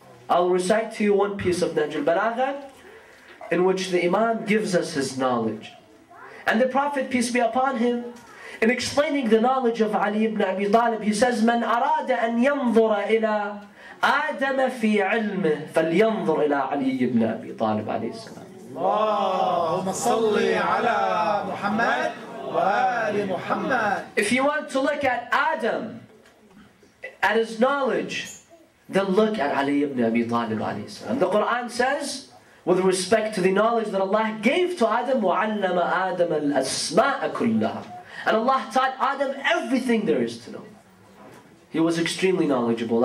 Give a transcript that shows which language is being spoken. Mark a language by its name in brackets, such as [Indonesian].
[English] I'll recite to you one piece of Nahj al-Balagha in which the Imam gives us his knowledge. And the Prophet, peace be upon him, in explaining the knowledge of Ali ibn Abi Talib, he says, [Arabic] مَنْ أَرَادَ أَنْ يَنْظُرَ إِلَىٰ آدَمَ فِي عِلْمِهِ فَلْيَنْظُرْ إِلَىٰ عَلِيِّ ابْنَ أَبِي طَالِبْ عَلَيْهِ السَّلَامِ اللهم صل على محمد وآل محمد. [English] If you want to look at Adam, at his knowledge, then look at Ali ibn Abi Talib عَلَيْهِ السَّلَامِ. The Quran says, with respect to the knowledge that Allah gave to Adam, [Arabic] وَعَلَّمَ آدَمَ الْأَسْمَاءَ كُلَّهَا. [English] And Allah taught Adam everything there is to know. He was extremely knowledgeable.